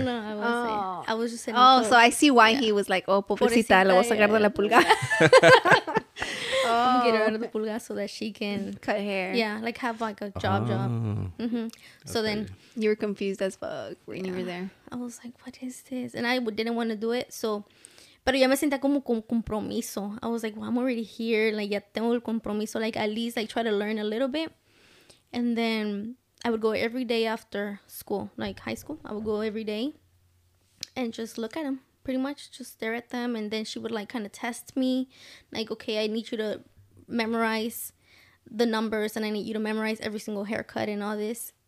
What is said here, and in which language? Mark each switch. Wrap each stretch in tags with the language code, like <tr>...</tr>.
<en>No. I was just selling. Oh, clothes. So I see why he was like, oh,</en> <es>pobrecita, la voy a sacar de la pulga.</es> <en>Oh. Get her out of the pulga so that she can cut hair. Yeah, like have like a job. Oh. Mm-hmm. So okay. Then you were confused as fuck when you were there. I was like, what is this? And I didn't want to do it.</en> <es>So, pero ya me sentía como con compromiso.</es> <en>I was like, well, I'm already here. Like,</en> <es>ya tengo el compromiso.</es> <en>Like, at least, like, try to learn a little bit. And then I would go every day after school, like high school. I would go every day and just look at them. Pretty much just stare at them, and then she would like kind of test me, like, okay, I need you to memorize the numbers and I need you to memorize every single haircut and all this.</en>